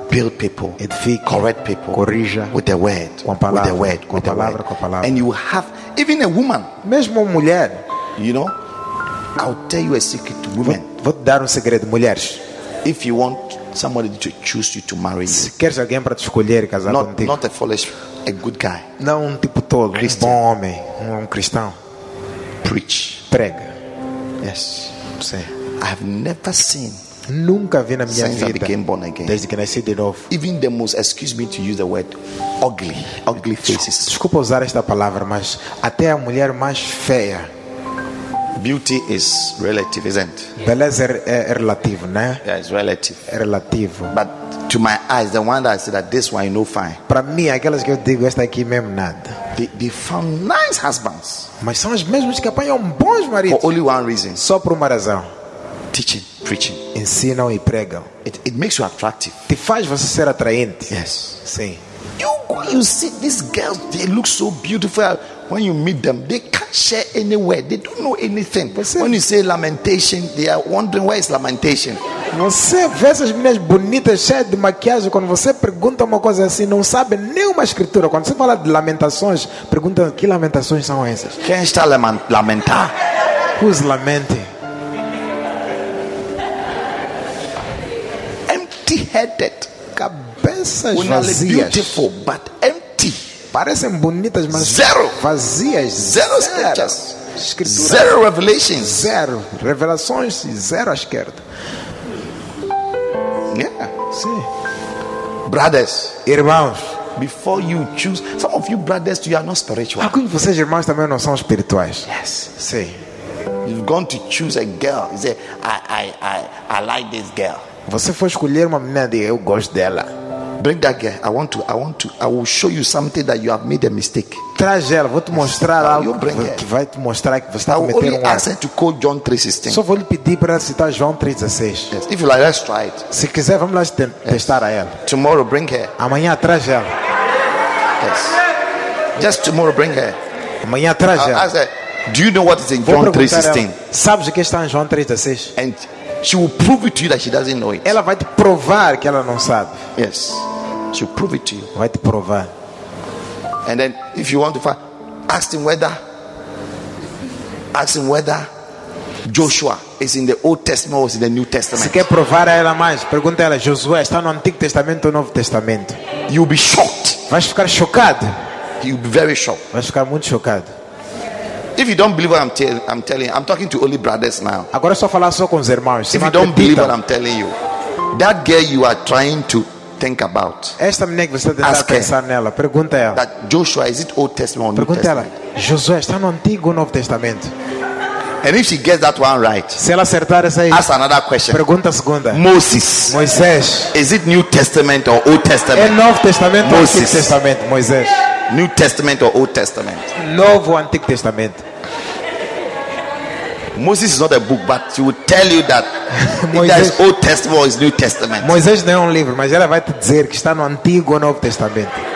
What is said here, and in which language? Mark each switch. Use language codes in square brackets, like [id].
[en] build people, [pt] edifique, [en] correct people, [pt] corrija, [en] with the word, [pt] com a palavra, [en] with the word, [pt] com a palavra, com a palavra. [en] And you have, even a woman, [pt] mesmo uma mulher, [en] you know, I'll tell you a secret, woman. [pt] Vou dar um segredo, mulheres. [en] If you want somebody to choose you to marry, [pt] se queres alguém para te escolher e casar contigo, [en] not a foolish, a good guy, [pt] não um tipo tolo, um bom homem, um cristão, [en] preach, [pt] prega, [en] yes, [pt] sim. [en] I've never seen. [pt] Nunca vi na minha [en] since [pt] vida. [en] Since I became born again. [pt] Desde que nasci de novo. [en] Even the most, excuse me to use the word, ugly, ugly faces. [pt] Desculpa usar esta palavra, mas até a mulher mais feia. [en] Beauty is relative, isn't it? [pt] Beleza é relativo, né? [en] Yeah, it's relative. [pt] É relativo. [en] But to my eyes, the one that I see that this one, you know fine. [pt] Para mim, aquelas que eu digo, esta aqui mesmo nada. [en] They found nice husbands. [pt] Mas são as mesmas que apanham bons maridos. [en] For only one reason. [pt] Só por uma razão. [en] Teaching, preaching, [pt] ensinam e pregam. [en] It makes you attractive. [pt] Te faz você ser atraente. [en] Yes, [pt] sim. [en] You see these girls, they look so beautiful. When you meet them, they can't share any word. They don't know anything. [pt] Você, [en] when you say lamentation, they are wondering where is lamentation. [pt] Você vê essas meninas bonitas cheias de maquiagem, quando você pergunta uma coisa assim, não sabe nenhuma escritura. Quando você fala de lamentações, pergunta que lamentações são essas. Quem está lamentar? [en] Who's lamenting? Empty-headed, [pt] cabeças vazias. [en] Beautiful, but empty. [pt] Parecem bonitas, mas zero. Vazias. Zero escrituras. [en] Zero revelations. [pt] Zero revelações e zero à esquerda. [en] Yeah. [pt] Sim. [en] Brothers, [pt] irmãos. [en] Before you choose, some of you brothers, you are not spiritual. [pt] Alguns de vocês irmãos também não são espirituais. [en] Yes. [pt] Sim. [en] You've gone to choose a girl. You say, I like this girl. [pt] Você foi escolher uma menina e eu gosto dela. [en] Bring that girl. I want to. I will show you something that you have made a mistake. [pt] Traz ela. Vou te mostrar [en] how [pt] algo que vai te mostrar que você está cometendo um erro. [en] I want to call John 3:16. [pt] Só vou lhe pedir para citar João 3:16. [en] Yes. If you like, let's try it. [pt] Se quiser, vamos lá testar a ela. [en] Tomorrow, bring her. [pt] Amanhã, traz ela. [en] Yes. Just tomorrow, bring her. [pt] Amanhã, traz ela. [en] I said, do you know what is in [pt] vou [en] John 3:16? [pt] Sabes o que está em João 3:16? [en] And she will prove it to you that she doesn't know it. [pt] Ela vai te provar que ela não sabe. [en] Yes. She will prove it to you. [pt] Vai te provar. [en] And then if you want to find, ask him whether Joshua is in the Old Testament or is in the New Testament. [pt] Se quer provar a ela mais, pergunta ela, Josué está no Antigo Testamento ou no Novo Testamento? [en] You'll be shocked. [pt] Vai ficar chocado. [en] You'll be very shocked. [pt] Vai ficar muito chocado. [en] If you don't believe what I'm telling you, I'm talking to only brothers now. [pt] Agora só falar só com os irmãos. [en] If you don't believe what I'm telling you, that girl you are trying to think about, [pt] esta menina que você está tentando pensar nela, pergunta ela. [en] That Joshua, is it Old Testament or New [pt] pergunta [en] Testament? [pt] Pergunta ela. Josué está no Antigo ou Novo Testamento? [en] And if she gets that one right, [pt] se ela acertar essa aí, [en] ask another question. [pt] Pergunta segunda. [en] Moses. [pt] Moisés. [en] Is it New Testament or Old Testament? [pt] É Novo Testamento ou Antigo Testamento? Moisés. [en] New Testament or Old Testament? [pt] Novo ou Antigo Testamento? [en] Moses is not a book, but he will tell you that [pt] Moisés, [en] it is Old Testament or is New Testament. [pt] Moisés não é livro, mas ela vai te dizer que está no Antigo ou Novo Testamento.